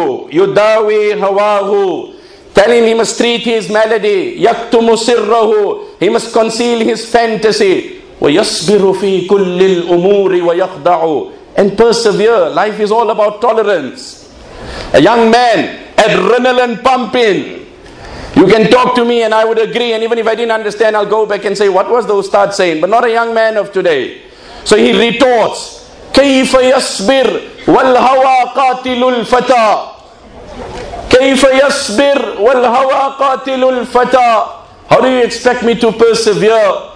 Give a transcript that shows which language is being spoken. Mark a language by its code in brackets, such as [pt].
[ar] Yudawi hawahu. [en] Tell him he must treat his malady. [ar] Yaktumu sirrahu. [en] He must conceal his fantasy. [ar] وَيَصْبِرُ فِي كُلِّ الْأُمُورِ وَيَخْدَعُ [en] And persevere. Life is all about tolerance. A young man, adrenaline pumping. You can talk to me and I would agree. And even if I didn't understand, I'll go back and say, what was the Ustad saying? [ar] But not a young man of today. So he retorts, كَيْفَ يَصْبِرْ وَالْهَوَى قَاتِلُ الْفَتَى كَيْفَ يَصْبِرْ وَالْهَوَى قَاتِلُ الْفَتَى [en] How do you expect me to persevere?